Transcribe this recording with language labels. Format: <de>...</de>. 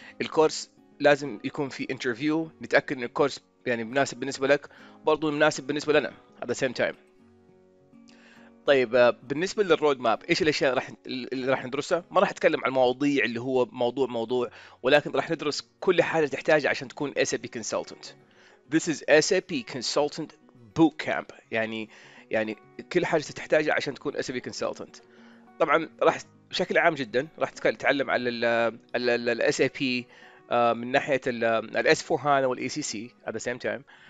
<ar>الكورس لازم يكون في انترفيو، نتاكد ان الكورس يعني مناسب بالنسبه لك، برضو مناسب بالنسبه لنا</ar> <en>at the same time.</en> <ar>طيب بالنسبة للرود ماب، ايش الاشياء اللي راح ندرسها؟ ما راح اتكلم عن المواضيع اللي هو موضوع، ولكن راح ندرس كل حاجة تحتاجها عشان تكون SAP consultant.</ar> <en>This is SAP consultant bootcamp.</en> <ar>يعني كل حاجة تحتاجها عشان تكون SAP consultant. طبعا راح بشكل عام جدا راح تتعلم على ال SAP من ناحية ال S4HANA وال ECC</ar> <en>at the same time.</en>